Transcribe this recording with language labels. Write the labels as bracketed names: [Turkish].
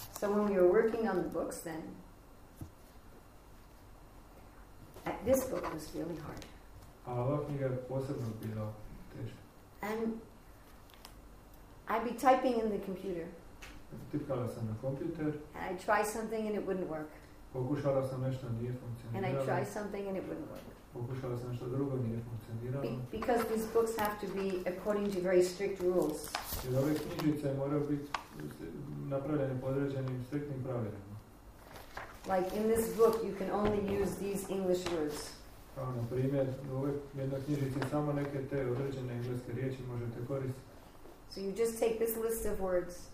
[English] So when we were working on the books then, this book was really hard. [Croatian] A ova knjiga je posebno bila teška. [English] And I'd be typing in the computer. [Croatian] Tipkala sam na kompjuter. [English] And I'd try something and it wouldn't work. [Croatian] Pokušala sam nešto, nije funkcioniralo. [English] And I'd try something and it wouldn't work. [Croatian] Pokušala sam nešto drugo, nije funkcioniralo. [English] Because these books have to be according to very strict rules. [Croatian] Jer ove knjižice moraju biti napravljene po određenim striktnim pravilima. [English] Like in this book you can only use these English words. [Croatian] kao na primjer, u ovoj jednoj knjižici samo neke te određene engleske riječi možete koristiti. [English] So you just take this list of words.